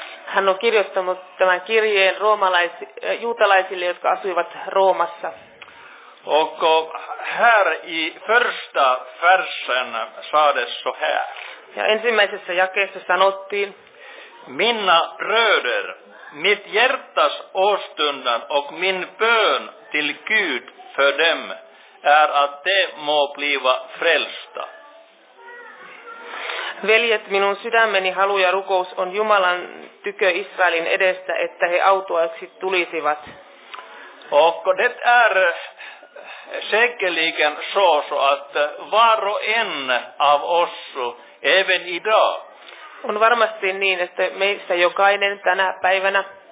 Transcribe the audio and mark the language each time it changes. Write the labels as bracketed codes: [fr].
[fi] Hän on kirjoittanut tämän kirjeen juutalaisille, jotka asuivat Roomassa. [sv] Och här i första versen sades så här. [fi] Ja ensimmäisessä jakeessa sanottiin. [sv] Minna bröder, mitt hjärtas åstundan och min bön till Gud för dem är att de må bliva frälsta. [fi] Veljet, minun sydämeni halu ja rukous on Jumalan tykö Israelin edestä, että he autuaksi tulisivat. [sv] Och det är säkerligen så att var och en av oss även idag. [fi] On varmasti niin, että meistä jokainen tänä päivänä.